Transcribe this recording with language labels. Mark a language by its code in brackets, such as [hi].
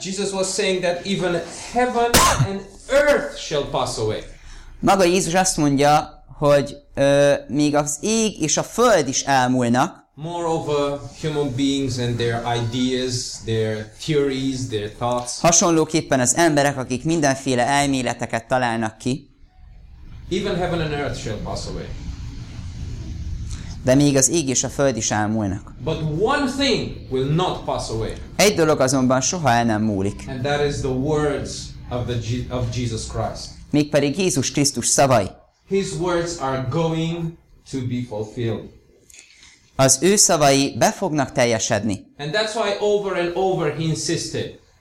[en] Jesus was saying that even heaven and earth shall pass away. [hu] Maga Jézus azt mondja, hogy még az ég és a föld is elmúlnak. [en] Moreover, human beings and their ideas, their theories, their thoughts. [hu] Hasonlóképpen az emberek, akik mindenféle elméleteket találnak ki. [en] Even heaven and earth shall pass away. [hu] De még az ég és a föld is elmúlnak. [en] But one thing will not pass away. [hu] Egy dolog azonban soha el nem múlik. [en] And that is the words of Jesus Christ. [hu] Mégpedig Jézus Krisztus szavai. [en] His words are going to be fulfilled. [hu] Az ő szavai be fognak teljesedni. [en] And that's why over and over he insisted.